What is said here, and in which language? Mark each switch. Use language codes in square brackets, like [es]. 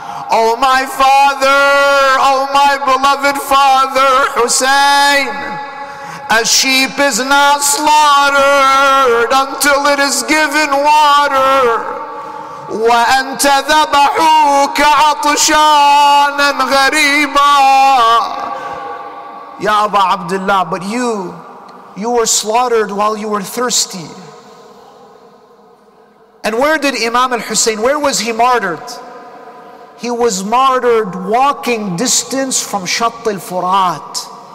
[en] Oh my father, oh my beloved father, Hussein, a sheep is not slaughtered until it is given water. [ar] وَأَنْتَ ذَبَحُوكَ عَطْشَانًا غَرِيبًا. [en] Ya Aba Abdullah, but you were slaughtered while you were thirsty. And where did Imam al-Hussein, where was he martyred? He was martyred walking distance from Shatt al-Furat.